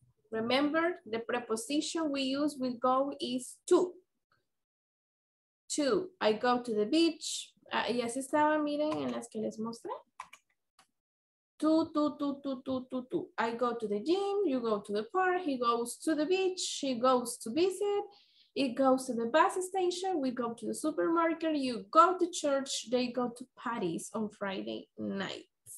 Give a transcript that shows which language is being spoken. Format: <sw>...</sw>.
<en>Remember, the preposition we use with go is to. To. I go to the beach.</en> <es>Y así estaba, miren, en las que les mostré.</es> <en>To. I go to the gym, you go to the park, he goes to the beach, she goes to visit, it goes to the bus station, we go to the supermarket, you go to church, they go to parties on Friday nights.</en>